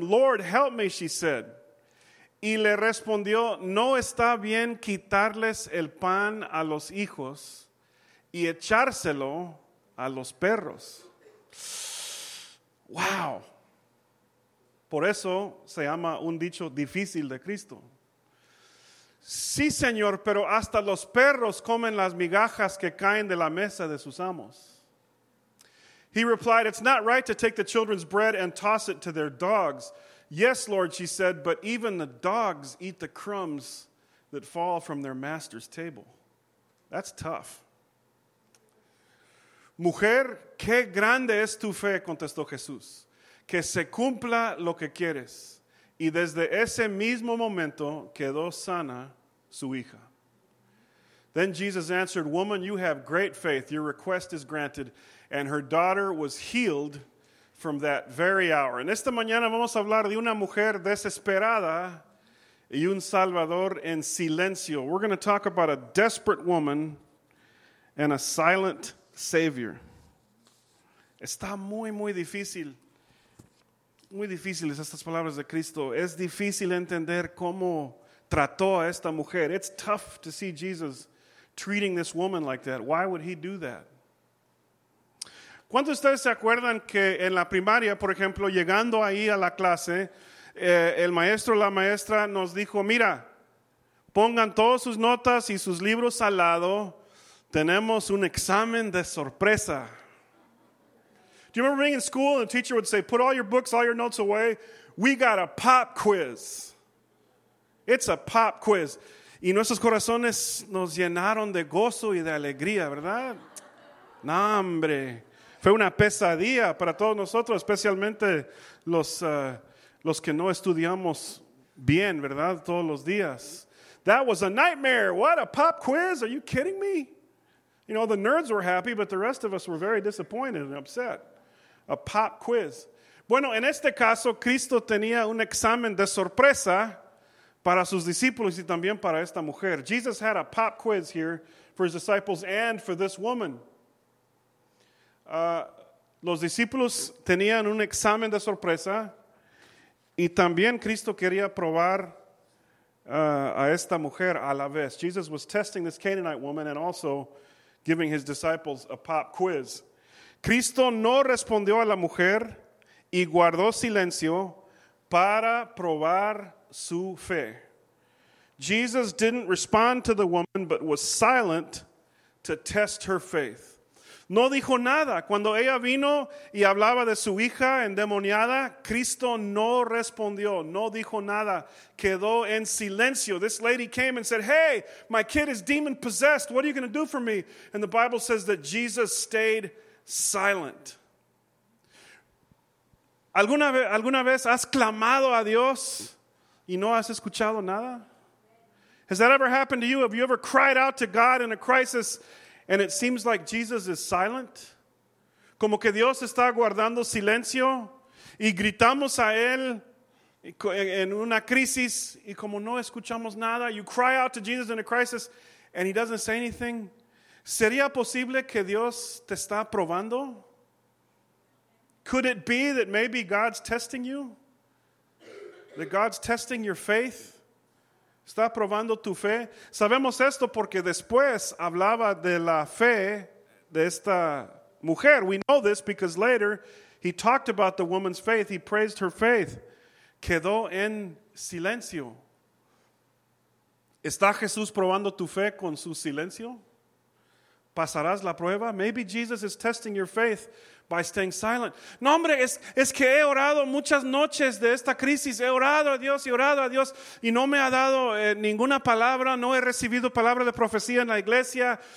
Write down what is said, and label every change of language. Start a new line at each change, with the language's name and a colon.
English: Lord, help me, she said.
Spanish: Y le respondió, no está bien quitarles el pan a los hijos y echárselo a los perros. Wow. Por eso se llama un dicho difícil de Cristo. Sí, Señor, pero hasta los perros comen las migajas que caen de la mesa de sus amos.
English: He replied, it's not right to take the children's bread and toss it to their dogs. Yes, Lord, she said, but even the dogs eat the crumbs that fall from their master's table. That's tough.
Spanish: Mujer, qué grande es tu fe, contestó Jesús. Que se cumpla lo que quieres. Y desde ese mismo momento quedó sana su hija.
English: Then Jesus answered, woman, you have great faith. Your request is granted. And her daughter was healed from that very hour.
Spanish: En esta mañana vamos a hablar de una mujer desesperada y un salvador en silencio.
English: We're going to talk about a desperate woman and a silent savior.
Spanish: Está muy, muy difícil. Muy difíciles estas palabras de Cristo. Es difícil entender cómo trató a esta mujer.
English: It's tough to see Jesus treating this woman like that. Why would he do that?
Spanish: ¿Cuántos de ustedes se acuerdan que en la primaria, por ejemplo, llegando ahí a la clase, el maestro o la maestra nos dijo, mira, pongan todas sus notas y sus libros al lado. Tenemos un examen de sorpresa.
English: Do you remember being in school and the teacher would say, put all your books, all your notes away. We got a pop quiz. It's a pop quiz.
Spanish: Y nuestros corazones nos llenaron de gozo y de alegría, ¿verdad? No, hombre. Fue una pesadilla para todos nosotros, especialmente los que no estudiamos bien, ¿verdad? Todos los días.
English: That was a nightmare. What, a pop quiz? Are you kidding me? You know, the nerds were happy, but the rest of us were very disappointed and upset. A pop quiz.
Spanish: Bueno, en este caso, Cristo tenía un examen de sorpresa para sus discípulos y también para esta mujer.
English: Jesus had a pop quiz here for his disciples and for this woman.
Spanish: Los discípulos tenían un examen de sorpresa y también Cristo quería probar a esta mujer a la vez.
English: Jesus was testing this Canaanite woman and also giving his disciples a pop quiz.
Spanish: Cristo no respondió a la mujer y guardó silencio para probar su fe.
English: Jesus didn't respond to the woman, but was silent to test her faith.
Spanish: No dijo nada. Cuando ella vino y hablaba de su hija endemoniada, Cristo no respondió, no dijo nada. Quedó en silencio.
English: This lady came and said, hey, my kid is demon possessed. What are you going to do for me? And the Bible says that Jesus stayed silent.
Spanish: ¿Alguna vez has clamado a Dios y no has escuchado nada?
English: Has that ever happened to you? Have you ever cried out to God in a crisis and it seems like Jesus is silent?
Spanish: Como que Dios está guardando silencio y gritamos a Él en una crisis y como no escuchamos nada.
English: You cry out to Jesus in a crisis and He doesn't say anything.
Spanish: ¿Sería posible que Dios te está probando?
English: Could it be that maybe God's testing you? That God's testing your faith?
Spanish: ¿Está probando tu fe? Sabemos esto porque después hablaba de la fe de esta mujer.
English: We know this because later he talked about the woman's faith. He praised her faith.
Spanish: Quedó en silencio. ¿Está Jesús probando tu fe con su silencio? ¿Pasarás la prueba?
English: Maybe Jesus is testing your faith by staying silent.
Spanish: No, hombre, es que he orado muchas noches de esta crisis. He orado a Dios y orado a Dios. Y no me ha dado ninguna palabra. No he recibido palabra de profecía en la iglesia.